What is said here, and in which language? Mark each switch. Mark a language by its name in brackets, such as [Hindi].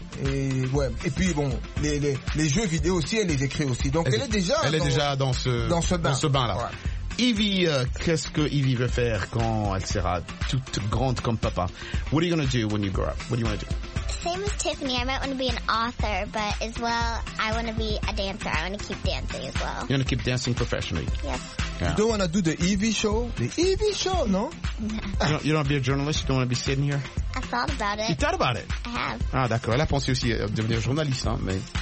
[French] Et puis bon, les jeux vidéo aussi, elle les écrit aussi. Donc elle est déjà dans ce bain-là. Ouais. Evie, qu'est-ce que Evie veut faire quand elle sera toute grande comme papa? [English] What are you going to do when you grow up? What do you want to do? Same as Tiffany, I might want to be an author, but as well, I want to be a dancer. I want to keep dancing as well. You want to keep dancing professionally? Yes. Yeah. You don't want to do the Evie show? The Evie show, no? You don't want to be a journalist? You don't want to be sitting here? I thought about it. You thought about it? I have. [French] Ah, d'accord. Elle a pensé aussi à devenir journaliste, mais...